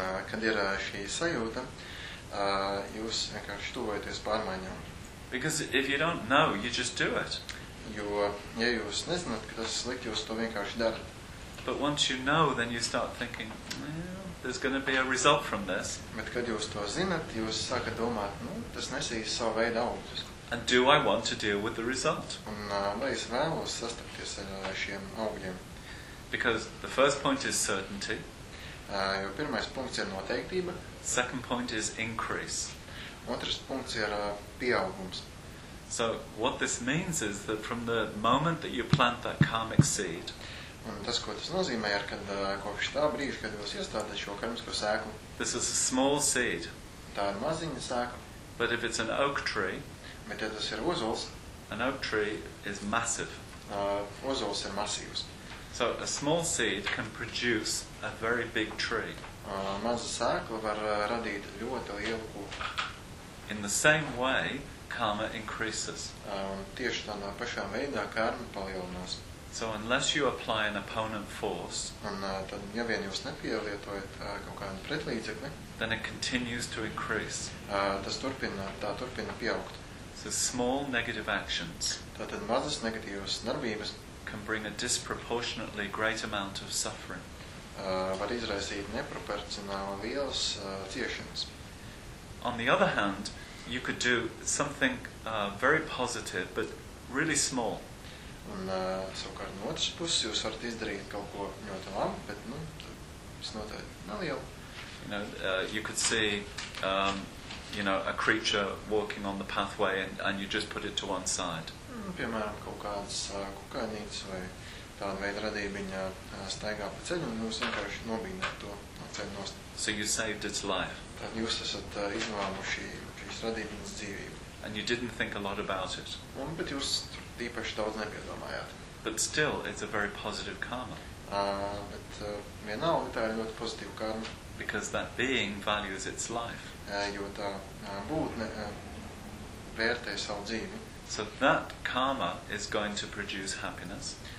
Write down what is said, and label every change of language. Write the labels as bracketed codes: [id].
[lv] Kad ir šī sajūta, jūs vienkārši tuvojaties pārmaiņām. [en] Because if you don't know, you just do it. [lv] Jo, ja jūs nezināt, ka tas slikt, jūs to vienkārši darat. [en] But once you know, then you start thinking, there's going to be a result from this. [lv] Bet kad jūs to zināt, jūs sākat domāt, tas nesīs savu veidu augļus. [en] And do I want to deal with the result? [lv] Un vai es vēlos sastapties ar šiem augļiem? [en] Because the first point is certainty. [lv] Jo pirmais punkts ir noteiktība. [en] Second point is increase. [lv] Otrs punkts ir pieaugums. [en] So what this means is that from the moment that you plant that karmic seed, [lv] un tas, ko tas nozīmē, ir, kad kopš tā brīža, kad jūs iestādāt šo karmisko sēklu. [en] This is a small seed. [lv] Tā ir maziņa sēkla. [en] But if it's an oak tree, [lv] bet ja tas ir ozols, [en] an oak tree is massive. [lv] Ozols ir masīvs. [en] So a small seed can produce a very big tree. [lv] Maza sēkla var radīt ļoti lielu koku. [en] In the same way, karma increases. [lv] Tieši tādā pašā veidā karma palielinās. [en] So unless you apply an opponent force, [lv] tad, ja vien jūs nepielietojat kaut kādu pretlīdzekli, [en] then it continues to increase. [lv] Tā turpina pieaugt. [en] So small negative actions, [lv] tad mazas negatīvas darbības, [en] can bring a disproportionately great amount of suffering. [lv] Var izraisīt neproporcionāli lielas ciešanas. [en] On the other hand, you could do something very positive, but really small. [lv] Un savukārt no otras puses jūs varat izdarīt kaut ko ļoti labi, bet visnotaļ nelielu. [en] You know, you could see, you know, a creature walking on the pathway and you just put it to one side. [lv] Piemēram, kaut kādas kukainītes vai tāda veida radībiņa staigā pa ceļu, un jūs vienkārši nobīnāt to no ceļa nost. [en] So you saved its life. [lv] Tad jūs esat izvēmuši šīs radībiņas dzīvību. [en] And you didn't think a lot about it. [lv] Un, bet jūs īpaši daudz nepiedomājāt. [en] But still, it's a very positive karma. [lv] Bet vienalga, tā ir ļoti pozitīva karma. [en] Because that being values its life. [lv] Jo tā būtne vērtē savu dzīvi. [en] So that karma is going to produce happiness.